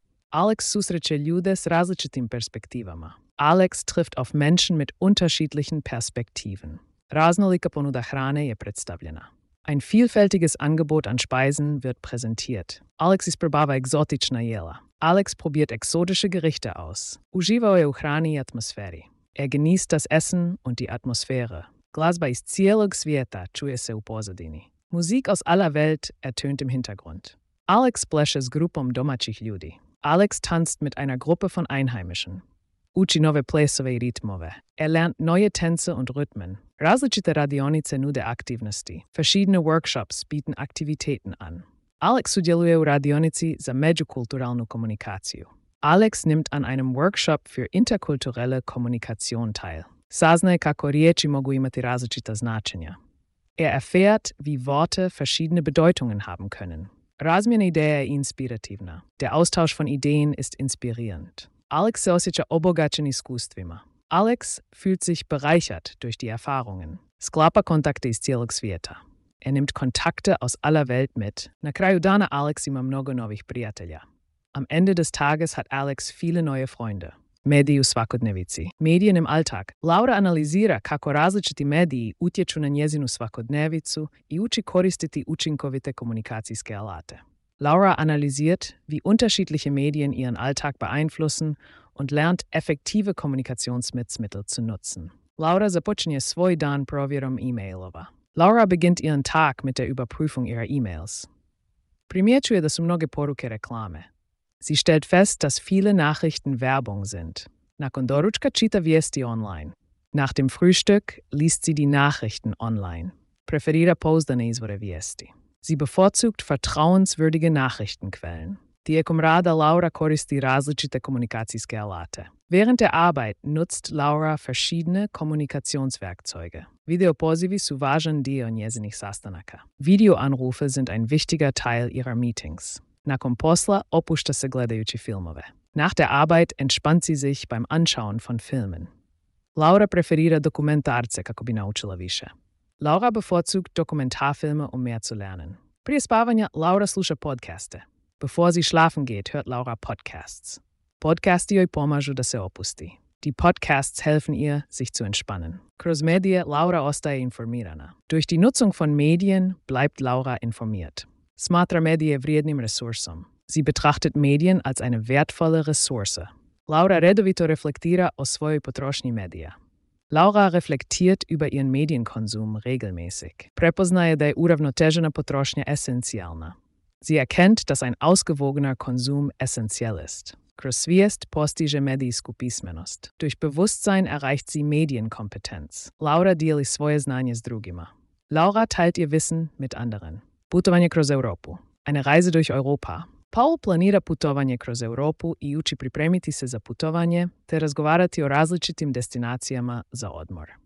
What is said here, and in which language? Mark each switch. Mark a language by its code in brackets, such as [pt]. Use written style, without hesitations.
[hr] Alex susreće ljude s različitim perspektivama. [de] Alex trifft auf Menschen mit unterschiedlichen Perspektiven. [hr] Raznolika ponuda hrane je predstavljena. [de] Ein vielfältiges Angebot an Speisen wird präsentiert. [hr] Alex isprobava egzotična jela. [de] Alex probiert exotische Gerichte aus. [hr] Uživao je u hrani i atmosferi. [de] Genießt das Essen und die Atmosphäre. [hr] Glazba iz cijelog svijeta čuje se u pozadini. [de] Musik aus aller Welt ertönt im Hintergrund. [hr] Alex pleše s grupom domaćih ljudi. [de] Alex tanzt mit einer Gruppe von Einheimischen. [hr] Uči nove plesove i ritmove. [de] Er lernt neue Tänze und Rhythmen. [hr] Različite radionice nude aktivnosti. [de] Verschiedene Workshops bieten Aktivitäten an. [hr] Alex sudjeluje u radionici za međukulturalnu komunikaciju. [de] Alex nimmt an einem Workshop für interkulturelle Kommunikation teil. [hr] Saznaje kako riječi mogu imati različita značenja. [de] Er erfährt, wie Worte verschiedene Bedeutungen haben können. [hr] Razmjena ideja je inspirativna. [de] Der Austausch von Ideen ist inspirierend. [hr] Alex se osjeća obogaćen iskustvima. [de] Alex fühlt sich bereichert durch die Erfahrungen. [hr] Sklapa kontakte iz cijelog svijeta. [de] Er nimmt Kontakte aus aller Welt mit. [hr] Na kraju dana Alex ima mnogo novih prijatelja. [de] Am Ende des Tages hat Alex viele neue Freunde. [hr] Mediju svakodnevici. [de] Medijen im Alltag. [hr] Laura analizira kako različiti mediji utječu na njezinu svakodnevicu i uči koristiti učinkovite komunikacijske alate. [de] Laura analysiert, wie unterschiedliche Medien ihren Alltag beeinflussen und lernt, effektive Kommunikationsmittel zu nutzen. [hr] Laura započinje svoj dan provjerom e-mailova. [de] Laura beginnt ihren Tag mit der Überprüfung ihrer E-Mails. [hr] Primjećuje da su mnoge poruke reklame. [de] Sie stellt fest, dass viele Nachrichten Werbung sind. [hr] Nakon doručka čita vijesti online. [de] Nach dem Frühstück liest sie die Nachrichten online. [hr] Preferira pouzdane izvore vijesti. [de] Sie bevorzugt vertrauenswürdige Nachrichtenquellen. [hr] Tijekom rada Laura koristi različite komunikacijske alate. [de] Während der Arbeit nutzt Laura verschiedene Kommunikationswerkzeuge. [hr] Videopozivi su važan dio njezinih sastanaka. [de] Videoanrufe sind ein wichtiger Teil ihrer Meetings. [hr] Nakon posla opušta se gledajući filmove. [de] Nach der Arbeit entspannt sie sich beim Anschauen von Filmen. [hr] Laura preferira dokumentarce kako bi naučila više. [de] Laura bevorzugt Dokumentarfilme, um mehr zu lernen. [hr] Prije spavanja, Laura sluša podcaste. [de] Bevor sie schlafen geht, hört Laura Podcasts. [hr] Podcasti joj pomažu da se opusti. [de] Die Podcasts helfen ihr, sich zu entspannen. [hr] Kroz medije, Laura ostaje informirana. [de] Durch die Nutzung von Medien bleibt Laura informiert. [hr] Smatra medije vrijednim resursom. [de] Sie betrachtet Medien als eine wertvolle Ressource. [hr] Laura redovito reflektira o svojoj potrošnji medija. [de] Laura reflektiert über ihren Medienkonsum regelmäßig. [hr] Prepoznaje da je uravnotežena potrošnja esencijalna. [de] Sie erkennt, dass ein ausgewogener Konsum essentiell ist. [hr] Kroz svijest postiže medijsku pismenost. [de] Durch Bewusstsein erreicht sie Medienkompetenz. [hr] Laura dijeli svoje znanje s drugima. [de] Laura teilt ihr Wissen mit anderen. [hr] Putovanje kroz Europu. [de] Eine Reise durch Europa. [hr] Paul planira putovanje kroz Europu i uči pripremiti se za putovanje te razgovarati o različitim destinacijama za odmor.